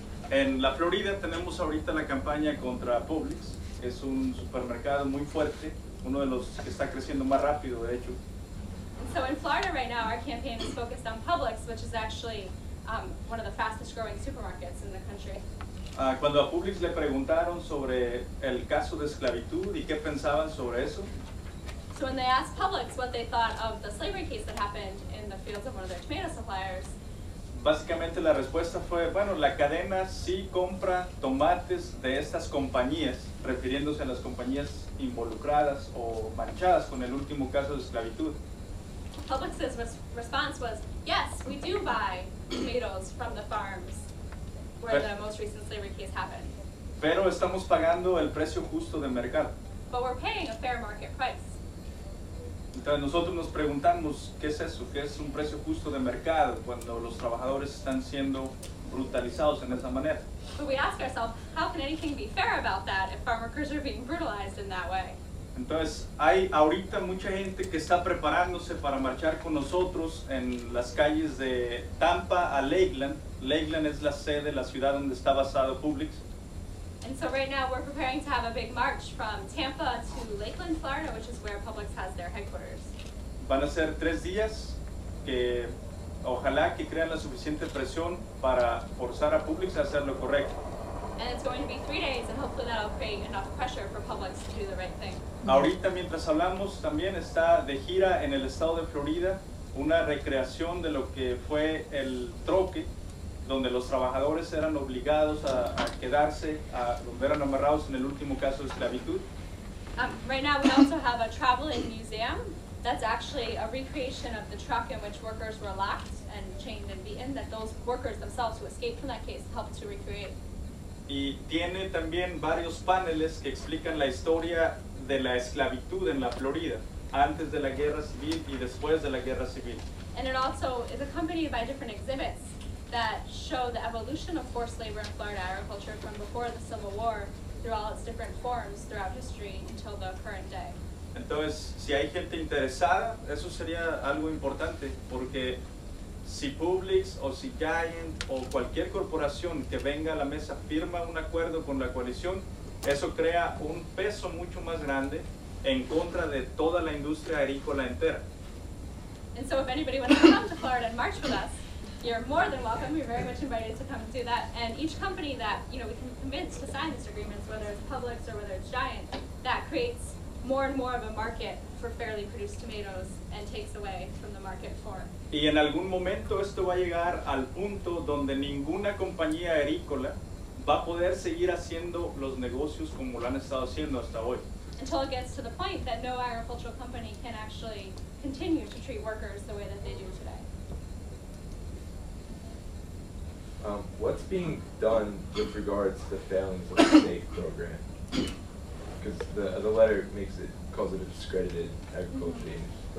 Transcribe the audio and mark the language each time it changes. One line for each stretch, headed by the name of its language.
Spanish: En la Florida tenemos ahorita la campaña contra Publix. Es un supermercado muy fuerte, uno de los que está creciendo más rápido, de hecho.
English: And so in Florida right now, our campaign is focused on Publix, which is actually one of the fastest growing supermarkets in the country.
Spanish: Cuando a Publix le preguntaron sobre el caso de esclavitud y qué pensaban sobre eso.
English: So when they asked Publix what they thought of the slavery case that happened in the fields of one of their tomato suppliers.
Spanish: Básicamente la respuesta fue, bueno, la cadena sí compra tomates de estas compañías, refiriéndose a las compañías involucradas o manchadas con el último caso de esclavitud.
English: Publix's response was, yes, we do buy tomatoes from the farms where the most recent slavery case happened.
Spanish: Pero estamos pagando el precio justo de mercado.
English: But we're paying a fair market price.
Spanish: Entonces nosotros nos preguntamos, ¿qué es eso? ¿Qué es un precio justo de mercado cuando los trabajadores están siendo brutalizados en esa manera?
English: But we ask ourselves, how can anything be fair about that if farm workers are being brutalized in that way?
Spanish: Entonces hay ahorita mucha gente que está preparándose para marchar con nosotros en las calles de Tampa a Lakeland. Lakeland es la sede de la ciudad donde está basado Publix.
English: And so right now we're preparing to have a big march from Tampa to Lakeland, Florida, which is where Publix has their headquarters.
Spanish: Van a ser 3 días que ojalá que crean la suficiente presión para forzar a Publix a hacer lo correcto.
English: And it's going to be 3 days, and hopefully that'll create enough pressure for Publix to do the right thing.
Spanish: Ahorita mientras hablamos, también está de gira en el estado de Florida una recreación de lo que fue el troque, donde los trabajadores eran obligados a quedarse, a volver amarrados en el último caso de esclavitud.
English: Right now we also have a traveling museum that's actually a recreation of the truck in which workers were locked and chained and beaten, that those workers themselves who escaped from that case helped to recreate.
Spanish: Y tiene también varios paneles que explican la historia de la esclavitud en la Florida, antes de la guerra civil y después de la guerra civil.
English: And it also is accompanied by different exhibits that show the evolution of forced labor in Florida agriculture from before the Civil War through all its different forms throughout history until the current day.
Spanish: Entonces, si hay gente interesada, eso sería algo importante, porque si Publix o si Giant o cualquier corporación que venga a la mesa firma un acuerdo con la coalición, eso crea un peso mucho más grande en contra de toda la industria agrícola entera.
English: And so if anybody wants to come to Florida and march with us, you're more than welcome. You're very much invited to come and do that. And each company that, you know, we can convince to sign these agreements, whether it's Publix or whether it's Giant, that creates more and more of a market for fairly produced tomatoes and takes away from the market for.
Spanish: Y en algún momento esto va a llegar al punto donde ninguna compañía agrícola va a poder seguir haciendo los negocios como lo han estado haciendo hasta hoy.
English: Until it gets to the point that no agricultural company can actually continue to treat workers the way that they do today. What's being done with regards to the failings of the SAFE program? Because the letter makes it, calls it a discredited agriculture change. Mm-hmm.